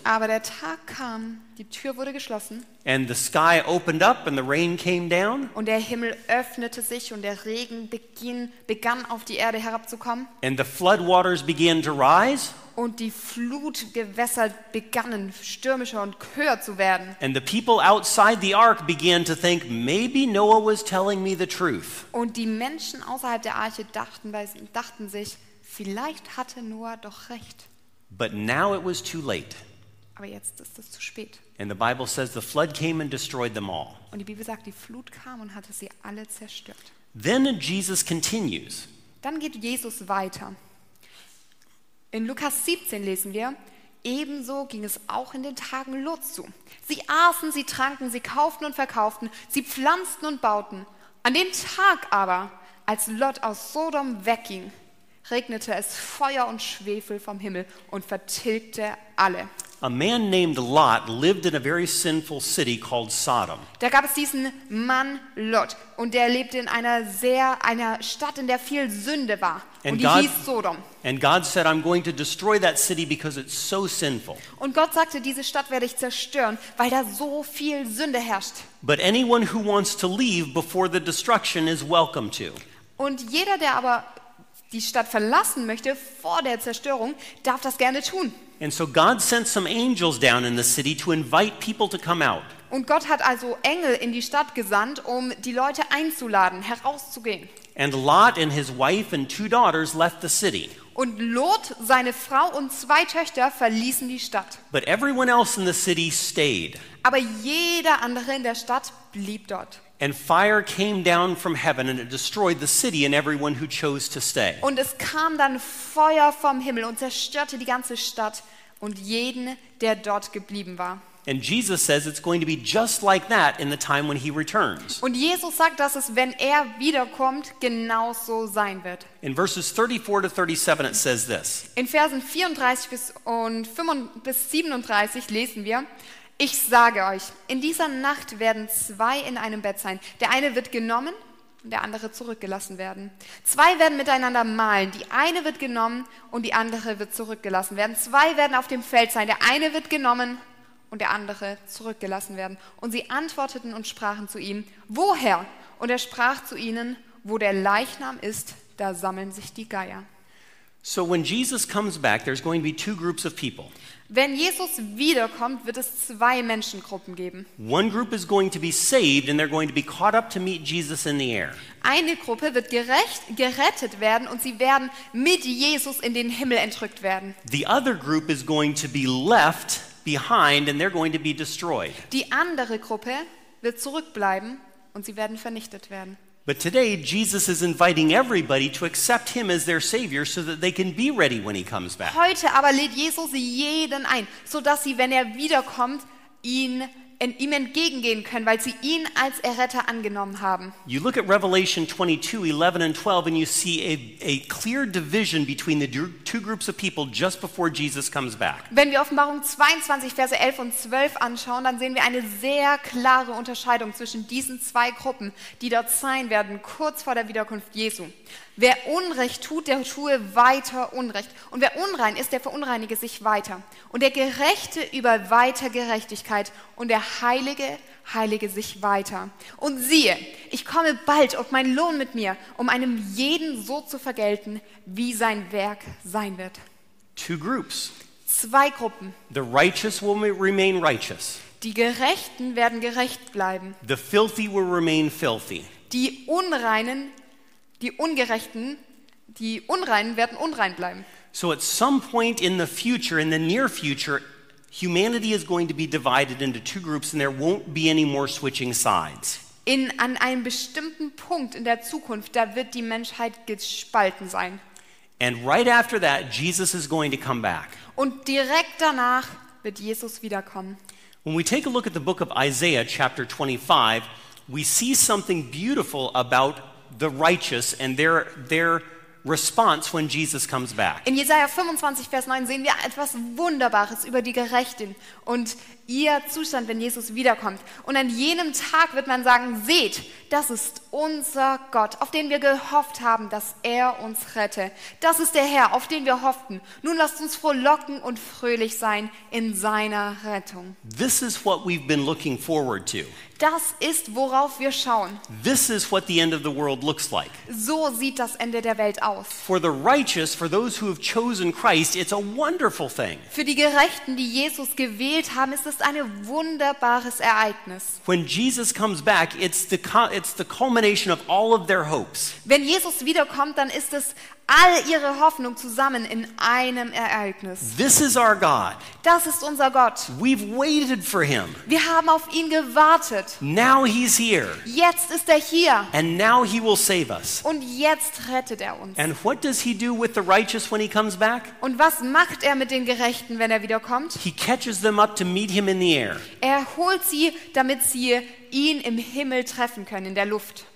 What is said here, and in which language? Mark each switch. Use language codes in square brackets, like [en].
[de] Aber der Tag kam, die Tür wurde geschlossen. [en] And the sky opened up and the rain came down. [de] Und der Himmel öffnete sich und der Regen begann auf die Erde herabzukommen. [en] And the flood waters began to rise. [de] Und die Flutgewässer begannen stürmischer und höher zu werden. [en] And the people outside the ark began to think, maybe Noah was telling me the truth. [de] Und die Menschen außerhalb der Arche dachten sich, vielleicht hatte Noah doch recht. [en] But now it was too late. [de] Aber jetzt ist es zu spät. [en] And the Bible says the flood came and destroyed them all. [de] Und die Bibel sagt, die Flut kam und hatte sie alle zerstört. [en] Then Jesus continues. [de] Dann geht Jesus weiter. In Lukas 17 lesen wir, ebenso ging es auch in den Tagen Lots zu. Sie aßen, sie tranken, sie kauften und verkauften, sie pflanzten und bauten. An dem Tag aber, als Lot aus Sodom wegging, regnete es Feuer und Schwefel vom Himmel und vertilgte alle. [en] A man named Lot lived in a very sinful city called Sodom. [de] Da gab es diesen Mann Lot und der lebte in einer Stadt, in der viel Sünde war. Und die hieß Sodom. [en] And God said, I'm going to destroy that city because it's so sinful. [de] Und Gott sagte, diese Stadt werde ich zerstören, weil da so viel Sünde herrscht. [en] But anyone who wants to leave before the destruction is welcome to. [de] Und jeder, der aber die Stadt verlassen möchte vor der Zerstörung, darf das gerne tun. [en] And so God sent some angels down in the city to invite people to come out. [de] Und Gott hat also Engel in die Stadt gesandt, um die Leute einzuladen, herauszugehen. [en] And Lot and his wife and two daughters left the city. [de] Und Lot, seine Frau und zwei Töchter verließen die Stadt. [en] But everyone else in the city stayed. [de] Aber jeder andere in der Stadt blieb dort. [en] And fire came down from heaven and it destroyed the city and everyone who chose to stay. [de] Und es kam dann Feuer vom Himmel und zerstörte die ganze Stadt und jeden, der dort geblieben war. [en] And Jesus says it's going to be just like that in the time when he returns. [de] Und Jesus sagt, dass es, wenn wiederkommt, genauso sein wird. [en] In verses 34 to 37 it says this. [de] In Versen 34 bis 37 lesen wir: Ich sage euch, in dieser Nacht werden zwei in einem Bett sein. Der eine wird genommen, der andere zurückgelassen werden. Zwei werden miteinander mahlen. Die eine wird genommen und die andere wird zurückgelassen werden. Zwei werden auf dem Feld sein. Der eine wird genommen und der andere zurückgelassen werden. Und sie antworteten und sprachen zu ihm, woher? Und er sprach zu ihnen, wo der Leichnam ist, da sammeln sich die Geier. [en] So when Jesus comes back, there's going to be two groups of people. [de] Wenn Jesus wiederkommt, wird es zwei Menschengruppen geben. [en] One group is going to be saved and they're going to be caught up to meet Jesus in the air. [de] Eine Gruppe wird gerettet werden und sie werden mit Jesus in den Himmel entrückt werden. [en] The other group is going to be left behind and they're going to be destroyed. [de] Die andere Gruppe wird zurückbleiben und sie werden vernichtet werden. [en] But today Jesus is inviting everybody to accept him as their savior so that they can be ready when he comes back. [de] Heute aber lädt Jesus jeden ein, so dass sie, wenn wiederkommt, ihm entgegengehen können, weil sie ihn als Erretter angenommen haben. [en] You look at Revelation 22:11-12 and you see a clear division between the two groups of people just before Jesus comes back. [de] Wenn wir Offenbarung 22 Verse 11 und 12 anschauen, dann sehen wir eine sehr klare Unterscheidung zwischen diesen zwei Gruppen, die dort sein werden kurz vor der Wiederkunft Jesu. Wer Unrecht tut, der tue weiter Unrecht. Und wer unrein ist, der verunreinige sich weiter. Und der Gerechte über weiter Gerechtigkeit. Und der Heilige heilige sich weiter. Und siehe, ich komme bald auf meinen Lohn mit mir, um einem jeden so zu vergelten, wie sein Werk sein wird. [en] Two groups. [de] Zwei Gruppen. [en] The righteous will remain righteous. [de] Die Gerechten werden gerecht bleiben. [en] The filthy will remain filthy. [de] Die Unreinen, die Ungerechten, die Unreinen werden unrein bleiben. [en] So at some point in the future, in the near future, humanity is going to be divided into two groups and there won't be any more switching sides. [de] An einem bestimmten Punkt in der Zukunft, da wird die Menschheit gespalten sein. [en] And right after that, Jesus is going to come back. [de] Und direkt danach wird Jesus wiederkommen. [en] When we take a look at the book of Isaiah, chapter 25, we see something beautiful about the righteous and their response when Jesus comes back. [de] In Jesaja 25 Vers 9 sehen wir etwas Wunderbares über die Gerechten und ihr Zustand, wenn Jesus wiederkommt. Und an jenem Tag wird man sagen, seht, das ist unser Gott, auf den wir gehofft haben, dass er uns rette. Das ist der Herr, auf den wir hofften. Nun lasst uns frohlocken und fröhlich sein in seiner Rettung. [en] This is what we've been looking forward to. [de] Das ist, worauf wir schauen. [en] This is what the end of the world looks like. [de] So sieht das Ende der Welt aus. [en] For the righteous, for those who have chosen Christ, it's a wonderful thing. [de] Für die Gerechten, die Jesus gewählt haben, ist es ein wunderbares Ereignis. [en] When Jesus comes back, it's the culmination of all of their hopes. [de] Wenn Jesus wiederkommt, dann ist es all ihre Hoffnung zusammen in einem Ereignis. [en] This is our God. [de] Das ist unser Gott. [en] We've waited for him. [de] Wir haben auf ihn gewartet. [en] Now he's here. [de] Jetzt ist er hier. [en] And now he will save us. [de] Und jetzt rettet er uns. [en] And what does he do with the righteous when he comes back? [de] Und was macht er mit den Gerechten, wenn er wiederkommt? [en] He catches them up to meet him in the air. [de] Er holt sie, damit sie ihn im Himmel treffen können, in der Luft.